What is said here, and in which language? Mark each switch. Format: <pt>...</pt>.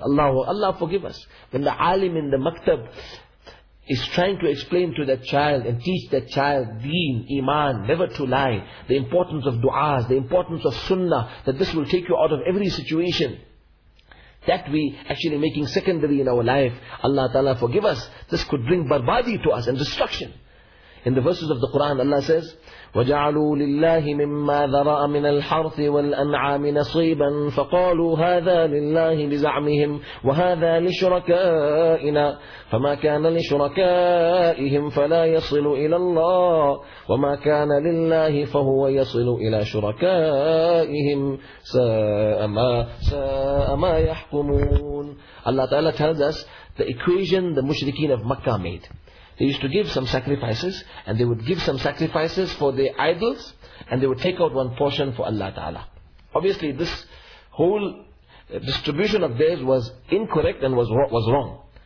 <en>Allahu, Allah forgive us. When the alim in the maktab is trying to explain to that child and teach that child deen, iman, never to lie, the importance of du'as, the importance of sunnah, that this will take you out of every situation, that we actually making secondary in our life, Allah Ta'ala forgive us, this could bring barbadi to us and destruction. In the verses of the Quran, Allah says,</en> <ar>وَجَعَلُوا لِلَّهِ مِمَّا ذَرَأَ مِنَ الْحَرْثِ وَالْأَنْعَامِ نَصِيبًا فَقَالُوا هَذَا لِلَّهِ بِزَعْمِهِمْ وَهَذَا لِشُرَكَائِنَا فَمَا كَانَ لِشُرَكَائِهِمْ فَلَا يَصِلُ إِلَى اللَّهِ وَمَا كَانَ لِلَّهِ فَهُوَ يَصِلُ إِلَى شُرَكَائِهِمْ سَاءَ مَا يَحْكُمُونَ.</ar> <en>Allah Ta'ala tells us the equation the mushrikeen of Makkah made. They used to give some sacrifices, and they would give some sacrifices for their idols, and they would take out one portion for Allah Ta'ala. Obviously, this whole distribution of theirs was incorrect and was wrong.</en>